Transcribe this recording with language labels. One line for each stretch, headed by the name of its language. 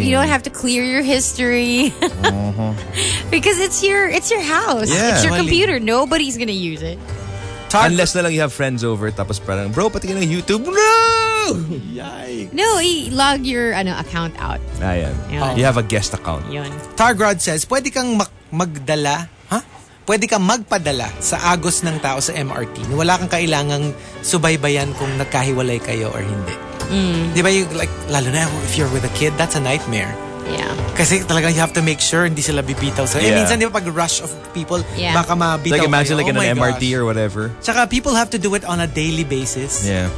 English: You don't have to clear your history. Because it's your house. Yeah. It's your computer. Nobody's gonna use it.
Filipino: Unless na lang
English: you have friends over,
Filipino: tapos parang bro, pati ka ng YouTube, no.
English: Yikes. No, log your account out.
Filipino: Ah, yan. Oh.
English: You have a guest account.
Filipino: Yun. Targrod says, pwede kang magdala, pwede kang magpadala sa agos ng tao sa MRT. Wala kang kailangang subaybayan kung nagkahiwalay kayo or hindi. Mm. Di ba, lalo na
English: if you're with a kid, that's a nightmare. Yeah.
Filipino: Kasi talaga
English: you have to make sure
Filipino: hindi sila bibitaw. So, yeah. Minsan di ba pag
English: rush of people,
Filipino: yeah, baka mabitaw.
English: Like imagine like in an MRT or whatever. Tsaka people have to do it on a daily basis. Yeah.